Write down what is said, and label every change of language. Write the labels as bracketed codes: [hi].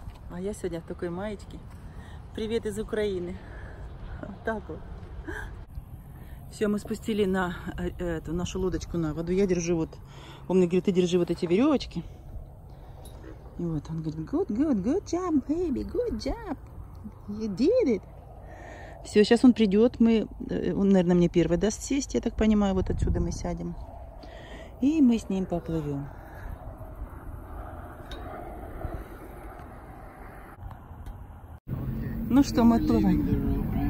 [ru] А я сегодня в такой маечке. Привет из Украины. Вот так вот. Все, мы спустили на эту нашу лодочку на воду. Я держу вот. Он мне говорит, ты держи вот эти веревочки. И вот он говорит, [en] good, good, good job, [ru] baby, good job. [en] You did it. [ru] Все, сейчас он придет. Мы, он, наверное, мне первый даст сесть, я так понимаю. Вот отсюда мы сядем. И мы с ним поплывем. Ну что, мы отплываем.